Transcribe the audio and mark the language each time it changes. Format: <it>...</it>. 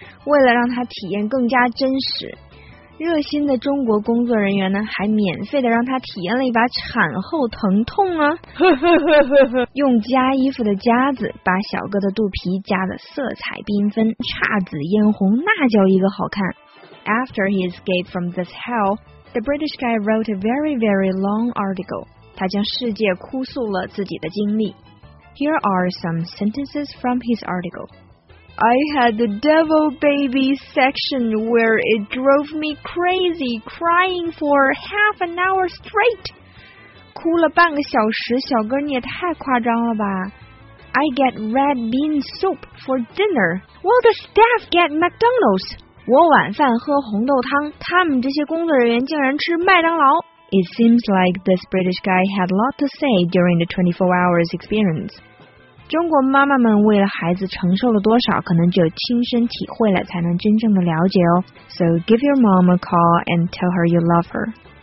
<zh>为了让他体验更加真实，热心的中国工作人员呢，还免费的让他体验了一把产后疼痛啊。用夹衣服的夹子把小哥的肚皮夹得色彩缤纷，姹紫嫣红，那叫一个好看。</zh> <en>After he escaped from this hell, the British guy wrote a very, very long article.</en> <zh>他将世界哭诉了自己的经历。</zh> <en>Here are some sentences from his article. I had the devil baby section where it drove me crazy, crying for half an hour straight.</en> <zh>哭了半个小时，小哥你也太夸张了吧。</zh> <en>I get red bean soup for dinner, while the staff get McDonald's.</en> <zh>我晚饭喝红豆汤，他们这些工作人员竟然吃麦当劳。</zh> <en>It seems like this British guy had a lot to say during the 24 hours experience.</en> <zh>中国妈妈们为了孩子承受了多少，可能只有亲身体会了才能真正的了解哦。</zh> <en>So give your mom a call and tell her you love her.</en>